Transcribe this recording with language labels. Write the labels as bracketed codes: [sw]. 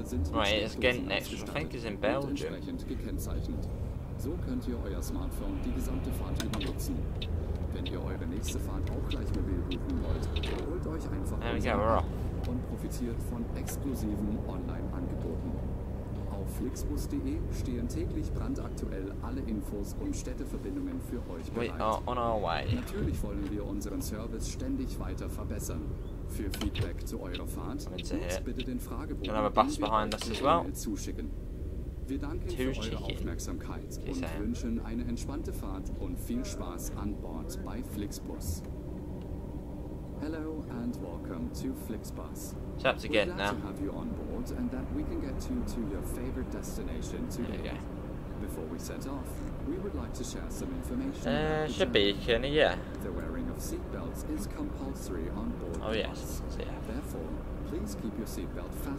[en] Right, it's Ghent next, which I think is in Belgium. [de] So könnt ihr euer Smartphone die gesamte Fahrt über nutzen. Wenn ihr eure nächste Fahrt auch gleich mal wieder buchen wollt, holt euch einfach und profitiert von exklusiven Online-Angeboten. Auf flixbus.de stehen täglich brandaktuell alle Infos und Städteverbindungen für euch bereit. [en] We are on our way. [de] Natürlich wollen wir unseren Service ständig weiter verbessern. Für Feedback zu eurer Fahrt, bitte den Fragebogen [en] have a bus behind us as well. [de] Zuschicken. Wir danken für eure Aufmerksamkeit und wünschen eine entspannte Fahrt und viel Spaß an Bord bei Flixbus. [en] Hello and welcome to Flixbus. Chaps again now. We're glad to have you on board and that we can get you to your favorite destination today. Before we set off, we would like to share some information. The wearing of seatbelts is compulsory on board. Therefore, please keep your seatbelt fastened.